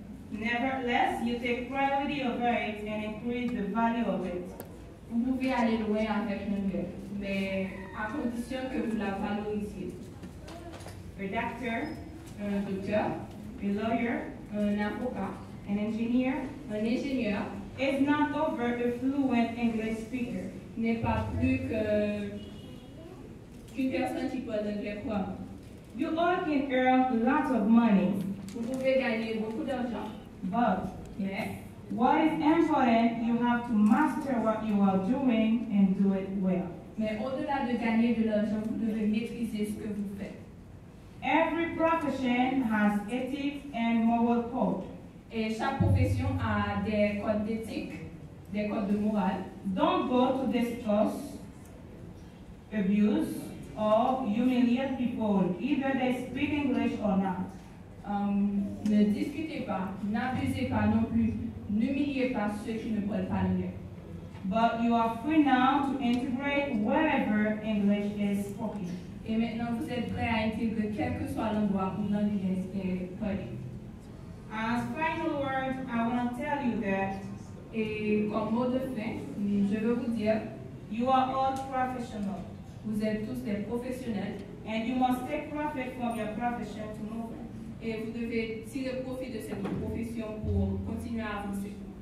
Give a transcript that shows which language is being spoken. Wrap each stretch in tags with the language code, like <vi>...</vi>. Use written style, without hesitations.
<en>Nevertheless, you take priority over it and increase the value of it.</en> <fr>Vous pouvez aller loin avec l'anglais, mais à condition que vous la valorisiez.</fr> <en>A doctor,</en> <fr>un docteur,</fr> <en>a lawyer,</en> <fr>un avocat, un ingénieur.</fr> <en>Is not over a fluent English speaker.</en> <fr>N'est pas plus qu'une personne qui parle anglais couramment.</fr> <en>You all can earn lots of money.</en> <fr>Vous pouvez gagner beaucoup d'argent.</fr> <en>But yes. What is important, you have to master what you are doing and do it well.</en> <fr>Mais au-delà de gagner de l'argent, vous devez maîtriser ce que vous faites.</fr> <en>Every profession has ethics and moral code.</en> <fr>Et chaque profession a des codes d'éthique, des codes de morale.</fr> <en>Don't go to discuss, abuse, or humiliate people, either they speak English or not.</en> <fr>Ne discutez pas, n'abusez pas non plus, n'humiliez pas ceux qui ne parlent pas l'anglais.</fr> <en>But you are free now to integrate wherever English is spoken.</en> <fr>Et maintenant vous êtes prêt à intégrer quel que soit l'endroit où l'anglais est parlé.</fr> <en>As final words, I want to tell you that,</en> <fr>et comme mot de fin, je veux vous dire,</fr> <en>you are all professional.</en> <fr>Vous êtes tous des professionnels.</fr> <en>And you must take profit from your profession to move on.</en> <fr>Et vous devez tirer profit de cette profession pour continuer à avancer.</fr>